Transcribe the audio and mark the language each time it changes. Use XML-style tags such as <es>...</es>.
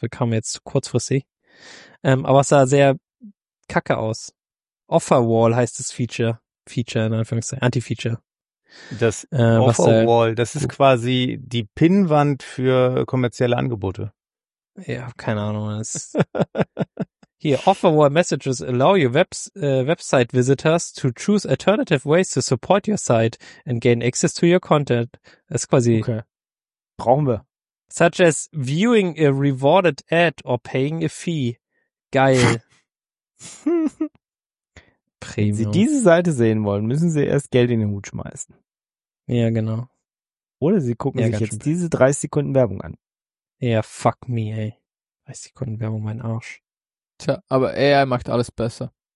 <de>Das kam jetzt kurzfristig. Aber es sah sehr kacke aus. Offerwall heißt das Feature. Feature in Anführungszeichen, Anti-Feature. Das Offerwall, das ist quasi die Pinnwand für kommerzielle Angebote. Ja, keine Ahnung.</de> <en>Hier, Offerwall Messages allow your website visitors to choose alternative ways to support your site and gain access to your content.</en> <de>Das ist quasi... Okay. Brauchen wir.</de> <en>Such as viewing a rewarded ad or paying a fee.</en> <de>Geil. Premium. Wenn Sie diese Seite sehen wollen, müssen Sie erst Geld in den Hut schmeißen. Ja, genau. Oder Sie gucken sich jetzt diese 30 Sekunden Werbung an. Ja, fuck me, ey. 30 Sekunden Werbung, mein Arsch. Tja, aber AI macht alles besser.</de>